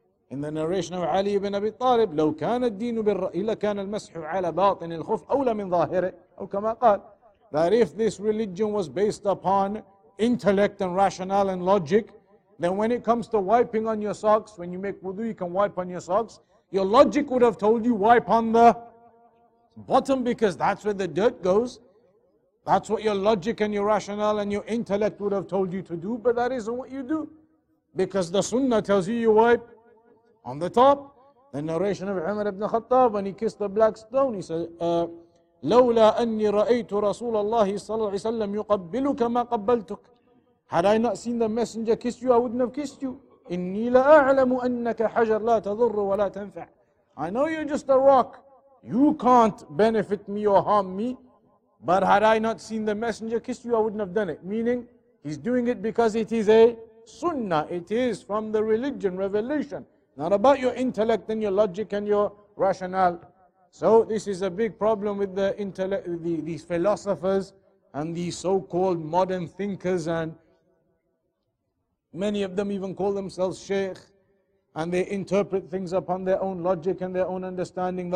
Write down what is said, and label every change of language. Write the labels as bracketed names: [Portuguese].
[English] In the narration of Ali ibn Abi Talib, [Arabic] لو كان الدين بالرأي لكان المسح على باطن الخف أولى من ظاهره. أو كما قال, [English] that if this religion was based upon intellect and rationale and logic, then when it comes to wiping on your socks, when you make wudu, you can wipe on your socks. Your logic would have told you wipe on the bottom because that's where the dirt goes. That's what your logic and your rationale and your intellect would have told you to do, but that isn't what you do. Because the sunnah tells you you wipe on the top. The narration of Umar ibn Khattab, when he kissed the black stone, he said, [Arabic] لولا أني رأيت رسول الله صلى الله عليه وسلم يقبلك ما قبلتك. [English] Had I not seen the messenger kiss you, I wouldn't have kissed you. [Arabic] إني لأعلم أنك حجر لا تضر ولا تنفع. [English] I know you're just a rock. You can't benefit me or harm me. But had I not seen the messenger kiss you, I wouldn't have done it. Meaning, he's doing it because it is a sunnah. It is from the religion, revelation. Not about your intellect and your logic and your rationale. So this is a big problem with the intellect, these philosophers and these so-called modern thinkers, and many of them even call themselves sheikh, and they interpret things upon their own logic and their own understanding.